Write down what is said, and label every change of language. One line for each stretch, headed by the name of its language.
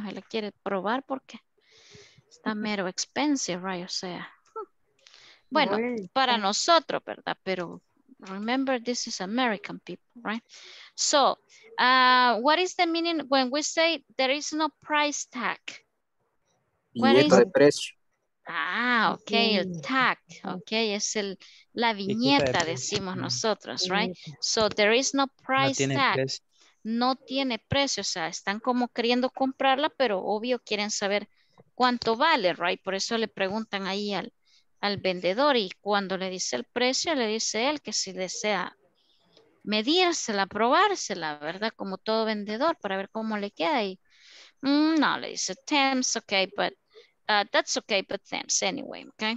Spanish: No se la quiere probar porque está mero expensive, right? O sea, bueno, para nosotros, ¿verdad?
English: Pero remember, this is American people, right? So, what is the meaning when we say there is no price tag? What is
Spanish: el precio. Ah, ok, sí. El tag, ok, es el, la viñeta, decimos nosotros, right?
English: So, there is no price tag.
Spanish: Precio. No tiene precio, o sea, están como queriendo comprarla, pero obvio quieren saber cuánto vale, right? Por eso le preguntan ahí al, al vendedor y cuando le dice el precio, le dice él que si desea medírsela, probársela, ¿verdad? Como todo vendedor, para ver cómo le queda. Y, no, le dice,
English: thanks, okay, but that's okay, but thanks anyway, okay?